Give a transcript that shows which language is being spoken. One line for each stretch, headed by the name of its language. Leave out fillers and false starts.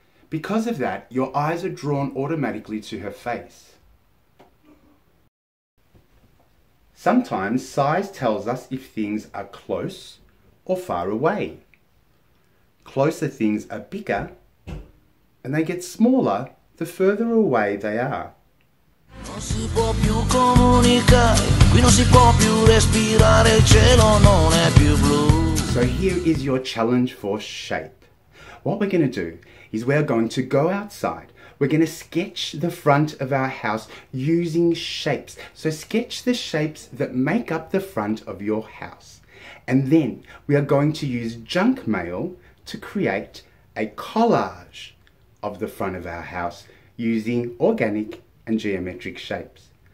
English: Because of that, your eyes are drawn automatically to her face. Sometimes size tells us if things are close or far away. Closer things are bigger and they get smaller the further away they are.
Italian: Non si può più comunicare, qui non si può più respirare, il cielo non è più blu.
English: So here is your challenge for shape. What we're going to do is we're going to go outside. We're going to sketch the front of our house using shapes. So sketch the shapes that make up the front of your house. And then we are going to use junk mail to create a collage of the front of our house using organic and geometric shapes.